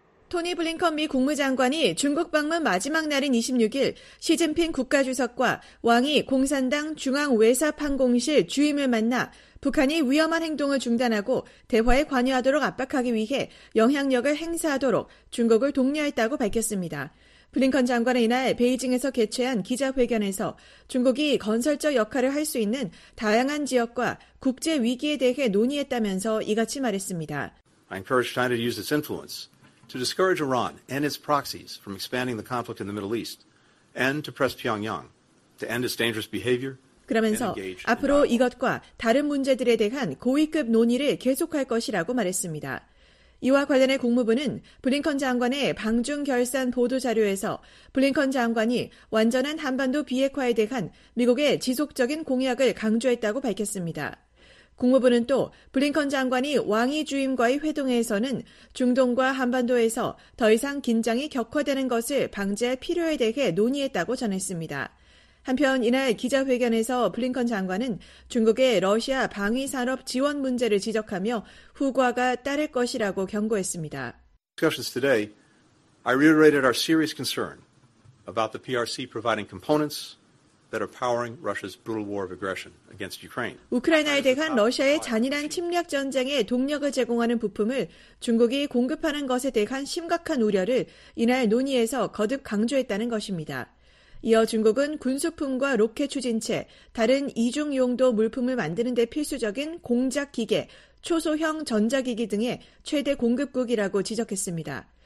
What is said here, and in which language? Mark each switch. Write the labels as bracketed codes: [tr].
[ko] 토니 블링컨 미 국무장관이 중국 방문 마지막 날인 26일 시진핑 국가주석과 왕이 공산당 중앙외사판공실 주임을 만나 북한이 위험한 행동을 중단하고 대화에 관여하도록 압박하기 위해 영향력을 행사하도록 중국을 독려했다고 밝혔습니다. 블링컨 장관은 이날 베이징에서 개최한 기자회견에서 중국이 건설적 역할을 할 수 있는 다양한 지역과 국제 위기에 대해 논의했다면서 이같이 말했습니다. [en] I encourage China to use its influence to discourage Iran and its proxies from expanding the conflict in the Middle East and to press Pyongyang to end its dangerous behavior. [ko] 그러면서 앞으로 이것과 다른 문제들에 대한 고위급 논의를 계속할 것이라고 말했습니다. 이와 관련해 국무부는 블링컨 장관의 방중 결산 보도 자료에서 블링컨 장관이 완전한 한반도 비핵화에 대한 미국의 지속적인 공약을 강조했다고 밝혔습니다. 국무부는 또 블링컨 장관이 왕이 주임과의 회동에서는 중동과 한반도에서 더 이상 긴장이 격화되는 것을 방지할 필요에 대해 논의했다고 전했습니다. 한편 이날 기자회견에서 블링컨 장관은 중국의 러시아 방위산업 지원 문제를 지적하며 후과가 따를 것이라고 경고했습니다. [en] Discussions today, I reiterated our serious concern about the PRC providing components that are powering Russia's brutal war of aggression against Ukraine. [ko] 우크라이나에 대한 러시아의 잔인한 침략 전쟁에 동력을 제공하는 부품을 중국이 공급하는 것에 대한 심각한 우려를 이날 논의에서 거듭 강조했다는 것입니다. 이어 중국은 군수품과 로켓 추진체, 다른 이중 용도 물품을 만드는 데 필수적인 공작 기계, 초소형 전자기기 등의 최대 공급국이라고 지적했습니다.